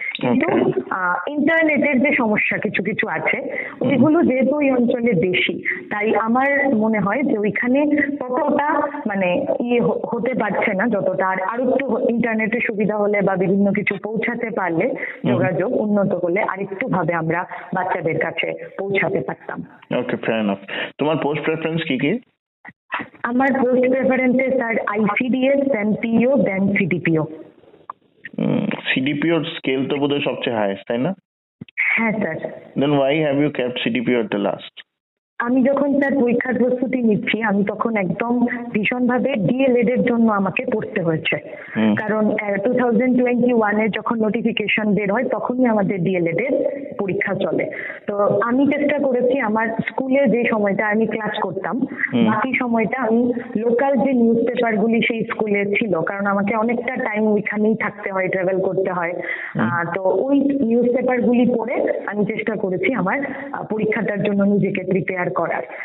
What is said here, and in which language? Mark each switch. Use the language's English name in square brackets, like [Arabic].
[Bangla] কিন্তু ইন্টারনেটের যে সমস্যা কিছু কিছু আছে ওইগুলো যেহেতু ওই অঞ্চলে বেশি, তাই আমার মনে হয় যে ওইখানে ততটা মানে ইয়ে হতে পারছে না যতটা, আর একটু ইন্টারনেটের সুবিধা হলে বা বিভিন্ন কিছু পৌঁছাতে পারলে, যোগাযোগ উন্নত হলে আরেকটু ভাবে আমরা বাচ্চাদের কাছে পৌঁছাতে পারতাম। ওকে, ফেয়ার এনাফ। তোমার পোস্ট প্রেফারেন্স কি কি? আমার post preference sir ICDS, then PO, then CDPO। CDPO scale তো বোধহয় সবচেয়ে হাইয়েস্ট, তাই না? হ্যাঁ sir. [English] Then why have you kept CDPO at the last? [Bangla] আমি যখন স্যার পরীক্ষার প্রস্তুতি নিচ্ছি আমি তখন একদম ভীষণভাবে DLED এর জন্য আমাকে পড়তে হয়েছে, কারণ 2021 এ যখন নোটিফিকেশন বের হয় তখনই আমাদের DLED এর পরীক্ষা চলে। তো আমি চেষ্টা করেছি আমার স্কুলে যে সময়টা আমি ক্লাস করতাম বাকি সময়টা আমি লোকাল যে নিউজ পেপার গুলি সেই স্কুলে ছিল, কারণ আমাকে অনেকটা টাইম ওইখানেই থাকতে হয়, ট্রাভেল করতে হয়, তো ওই নিউজ পেপার গুলি পড়ে আমি চেষ্টা করেছি আমার পরীক্ষাটার জন্য নিজেকে প্রিপেয়ার করার।